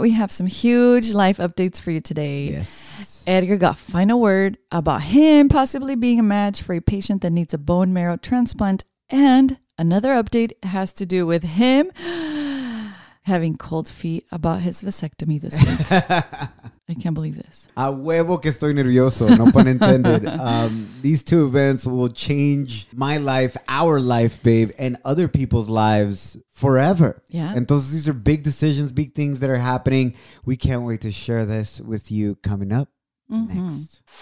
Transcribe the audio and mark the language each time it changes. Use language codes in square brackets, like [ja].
[en] We have some huge life updates for you today. Yes. Edgar got final word about him possibly being a match for a patient that needs a bone marrow transplant. And another update has to do with him having cold feet about his vasectomy this week. I can't believe this. [es] A huevo que estoy nervioso, [en] no pun intended. These two events will change my life, our life, babe, and other people's lives forever. Yeah. Entonces, these are big decisions, big things that are happening. We can't wait to share this with you coming up next.